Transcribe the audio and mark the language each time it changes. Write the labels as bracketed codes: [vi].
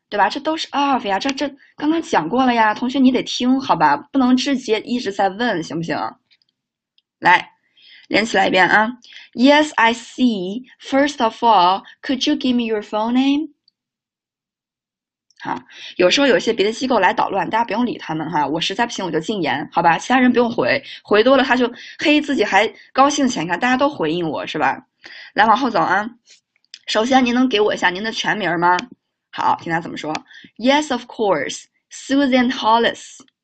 [zh] 对吧？这都是 of 呀，这刚刚讲过了呀，同学你得听好吧，不能直接一直在问，行不行？来，连起来一遍啊。 [en] Yes, I see. First of all, could you give me your phone name? [zh] 好，有时候有一些别的机构来捣乱，大家不用理他们哈。我实在不行我就禁言，好吧？其他人不用回，回多了他就嘿，自己还高兴起来，你看大家都回应我是吧？来，往后走啊。首先，您能给我一下您的全名吗？好，听他怎么说。 [en] Yes, of course, Susan Hollis.